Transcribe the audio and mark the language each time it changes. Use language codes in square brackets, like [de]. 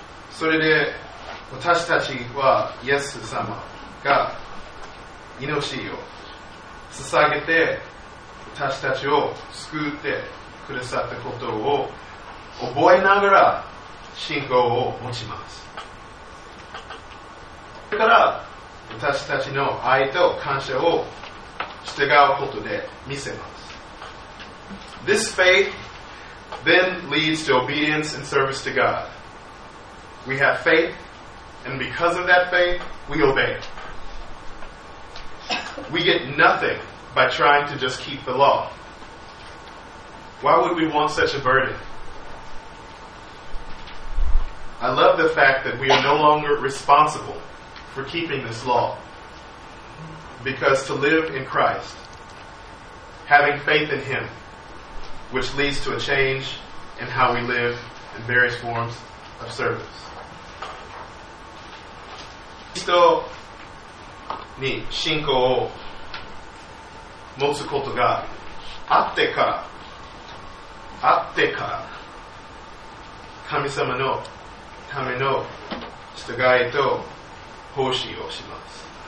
[ja] それで、私たちはイエス様が命を捧げて、私たちを救ってくださったことを覚えながら、信仰を持ちます。それから私たちの愛と感謝を従うことで見せます。 [en] This faith then leads to obedience and service to God. We have faith, and because of that faith, we obey. We get nothing by trying to just keep the law. Why would we want such a burden? I love the fact that we are no longer responsible for keeping this law. Because to live in Christ, having faith in Him, which leads to a change in how we live in various forms of service. [ja] Cristo に信仰を持つことがあってから神様のための従いと奉仕をします。